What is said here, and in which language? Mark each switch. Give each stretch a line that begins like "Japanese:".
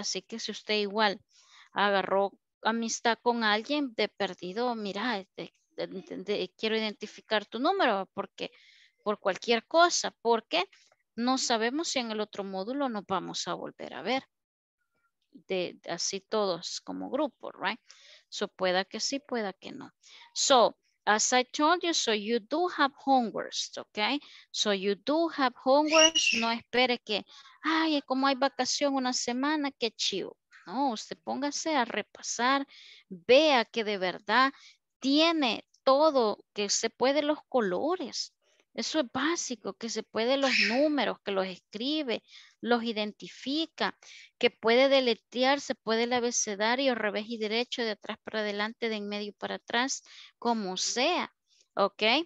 Spanish: Así que si usted igual agarró amistad con alguien de perdido, mira, quiero identificar tu número porque por cualquier cosa, porque no sabemos si en el otro módulo nos vamos a volver a ver de así todos como grupo, right? So pueda que sí, pueda que no.
English: So as I told you, so you do have homeworks, okay? So you do have homeworks.
Spanish: No espere que, ay, como hay vacación una semana, qué chivo. No, usted póngase a repasar, vea que de verdad tiene todo, que se puede los colores. Eso es básico, que se puede los números, que los escribe, los identifica, que puede deletrear, se puede el abecedario, revés y derecho, de atrás para adelante, de en medio para atrás, como sea. ¿Ok?